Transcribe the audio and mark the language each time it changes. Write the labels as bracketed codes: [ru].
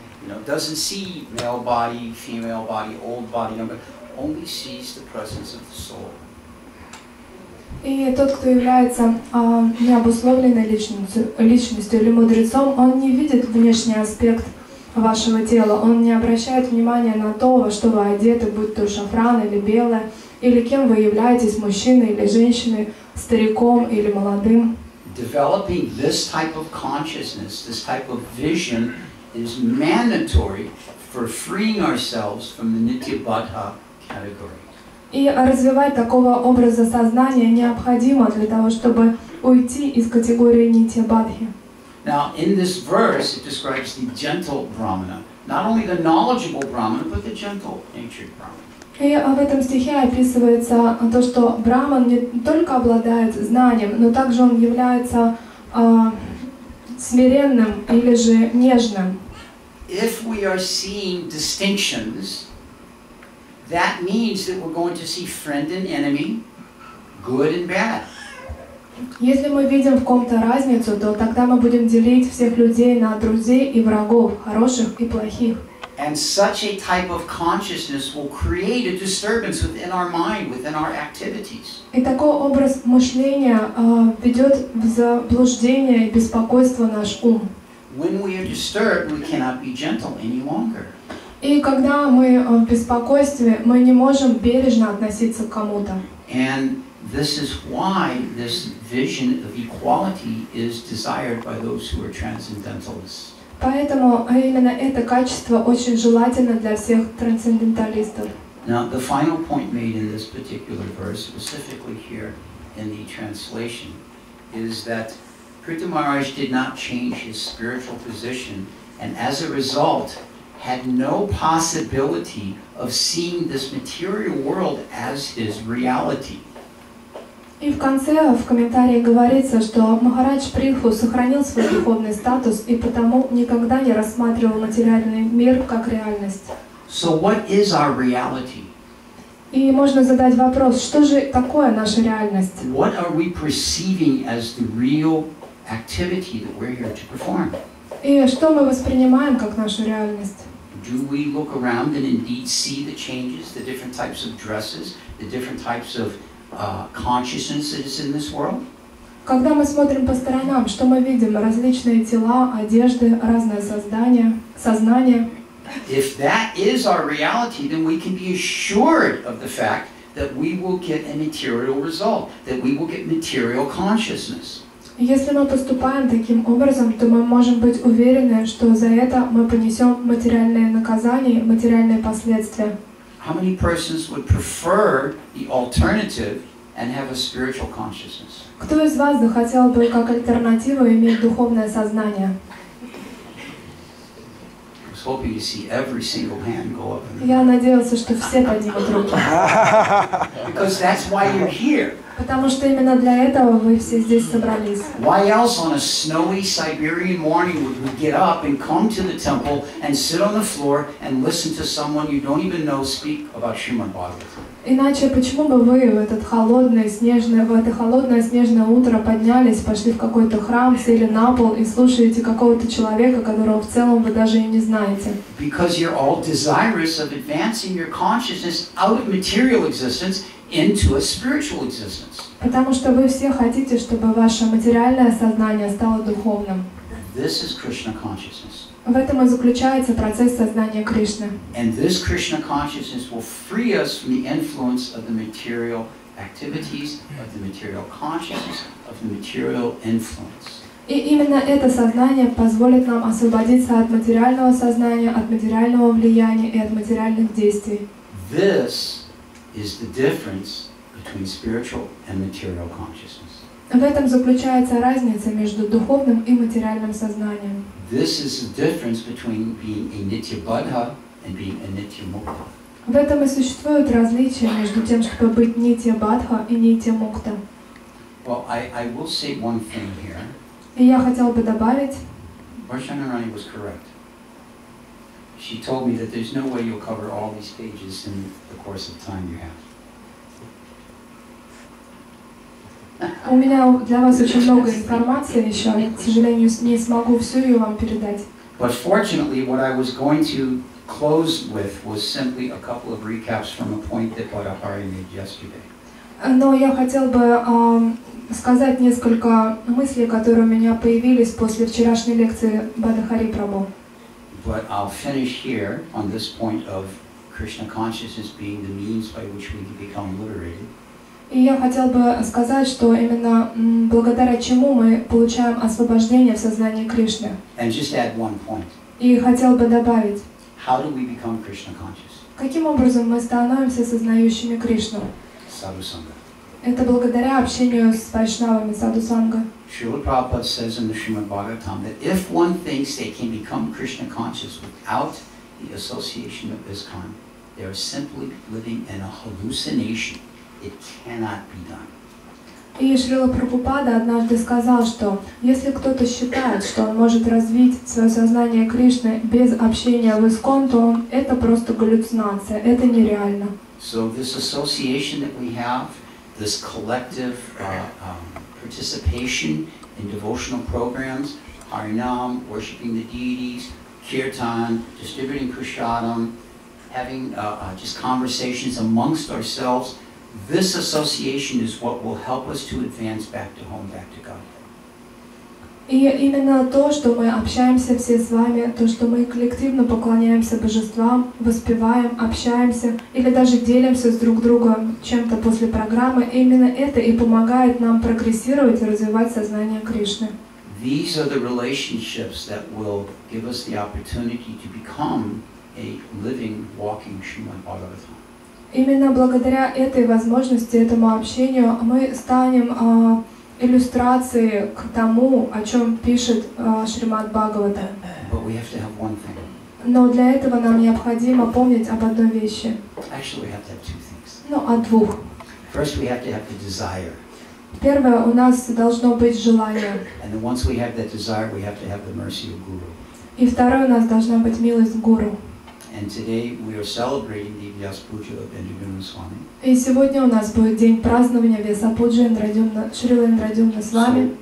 [en] You know, doesn't see male body, female body, old body, younger, only sees the presence of the soul. [ru] И тот, кто является необусловленной личностью или мудрецом, он не видит внешний аспект вашего тела, он не обращает внимания на то, во что вы одеты, будь то шафран или белое, или кем вы являетесь, мужчиной или женщиной, стариком или молодым. [en] Developing this type of consciousness, this type of vision, is mandatory for freeing ourselves from the Nityabhata category. [ru] И развивать такого образа сознания необходимо для того, чтобы уйти из категории Нитьябадхи. [en] Now, in this verse, it describes the gentle brahmana, not only the knowledgeable brahmana, but the gentle natured brahmana. [ru] И в этом стихе описывается то, что брахман не только обладает знанием, но также он является смиренным или же нежным. [en] If we are seeing distinctions, that means that we're going to see friend and enemy, good and bad. [ru] Если мы видим в ком-то разницу, то тогда мы будем делить всех людей на друзей и врагов, хороших и плохих. [en] And such a type of consciousness will create a disturbance within our mind, within our activities. [ru] И такой образ мышления ведет в заблуждение и беспокойство наш ум. [en] When we are disturbed, we cannot be gentle any longer. [ru] И когда мы в беспокойстве, мы не можем бережно относиться к кому-то. [en] And this is why this vision of equality is desired by those who are transcendentalists. [ru] Поэтому именно это качество очень желательно для всех трансценденталистов. [en] Now, the final point made in this particular verse, specifically here in the translation, is that Prithu Maharaj did not change his spiritual position and as a result had no possibility of seeing this material world as his reality. [ru] И в конце, в комментарии говорится, что Махарадж Прихву сохранил свой духовный статус и потому никогда не рассматривал материальный мир как реальность. [en] So what is our reality? [ru] И можно задать вопрос, что же такое наша реальность? [en] What are we perceiving as the real activity that we're here to perform? [ru] И что мы воспринимаем как нашу реальность? [en] Do we look around and indeed see the changes, the different types of dresses, the different types of consciousness that is in this world? [ru] Когда мы смотрим по сторонам, что мы видим? Различные тела, одежды, разное создание, сознание. [en] If that is our reality, then we can be assured of the fact that we will get a material result, that we will get material consciousness. [ru] Если мы поступаем таким образом, то мы можем быть уверены, что за это мы понесем материальное наказание, материальные последствия. [en] How many persons would prefer the alternative and have a spiritual consciousness? [ru] Кто из вас хотел бы как альтернативу иметь духовное сознание? [en] I was hoping to see every single hand go up. [ru] Я надеялся, что все поднимут руки. [en] Because that's why you're here. [ru] Потому что именно для этого вы все здесь собрались. [en] Why else on a snowy Siberian morning would we get up and come to the temple and sit on the floor and listen to someone you don't even know speak about Srimad Bhagavatam? [ru] Иначе почему бы вы в это холодное снежное утро поднялись, пошли в какой-то храм, сели на пол и слушаете какого-то человека, которого в целом вы даже и не знаете? [en] Because you're all desirous of advancing your consciousness out of material existence into a spiritual existence. [ru] Потому что вы все хотите, чтобы ваше материальное сознание стало духовным. [en] This is Krishna consciousness. [ru] В этом и заключается процесс сознания Кришны. [en] And this Krishna consciousness will free us from the influence of the material activities, of the material consciousness, of the material influence. [ru] И именно это сознание позволит нам освободиться от материального сознания, от материального влияния и от материальных действий. [en] This is the difference between spiritual and material consciousness. [ru] В этом заключается разница между духовным и материальным сознанием. [en] This is the difference between being a Nityabuddha and being a Nityamukta. [ru] В этом и существует различие между тем, чтобы быть Нитья-Бадха и Нитья-Мукта. [en] Well, I will say one thing here. [ru] И я хотел бы добавить. [en] Vaishnavi was correct. She told me that there's no way you'll cover all these pages in the course of time you have. [ru] У меня для вас очень много информации еще, я, к сожалению, не смогу всю ее вам передать. [en] But fortunately, what I was going to close with was simply a couple of recaps from a point that Bhadahari made yesterday. [ru] Но я хотел бы сказать несколько мыслей, которые у меня появились после вчерашней лекции Бхадахари Прабху. [en] But I'll finish here on this point of Krishna consciousness being the means by which we can become liberated. [ru] И я хотел бы сказать, что именно благодаря чему мы получаем освобождение в сознании Кришны. [en] And just add one point. [ru] И хотел бы добавить. [en] How do we become Krishna conscious? [ru] Каким образом мы становимся сознающими Кришну? Садусанга. Это благодаря общению с вайшнавами, садусанга. [en] Srila Prabhupada says in the Srimad Bhagavatam that if one thinks they can become Krishna conscious without the association of ISKCON, they are simply living in a hallucination. It cannot be done. [ru] И Шрила Прабхупада однажды сказал, что если кто-то считает, что он может развить свое сознание Кришны без общения в ИСККОН, то это просто галлюцинация, это нереально. [en] So this association that we have, this collective participation in devotional programs, Harinam, worshiping the deities, kirtan, distributing prasadam, having just conversations amongst ourselves, this association is what will help us to advance back to home, back to God. [ru] И именно то, что мы общаемся все с вами, то, что мы коллективно поклоняемся божествам, воспеваем, общаемся или даже делимся с друг другом чем-то после программы, именно это и помогает нам прогрессировать и развивать сознание Кришны. [en] These are the relationships that will give us the opportunity to become a living, walking Srimad Bhagavatam. [ru] Именно благодаря этой возможности, этому общению, мы станем иллюстрацией к тому, о чем пишет Шримад Бхагавата. [en] But we have to have one thing. [ru] Но для этого нам необходимо помнить об одной вещи. [en] Actually, we have to have two things. [ru] Ну, о двух. [en] First, we have to have the desire. [ru] Первое, у нас должно быть желание. [en] And then once we have that desire, we have to have the mercy of Guru. [ru] И второе, у нас должна быть милость Гуру. [en] And today we are celebrating the Vyasa Puja of Indradyumna Swami. [ru] И сегодня у нас будет день празднования Вьяса Пуджи Индрадюмна Шрилы Индрадюмна Свами.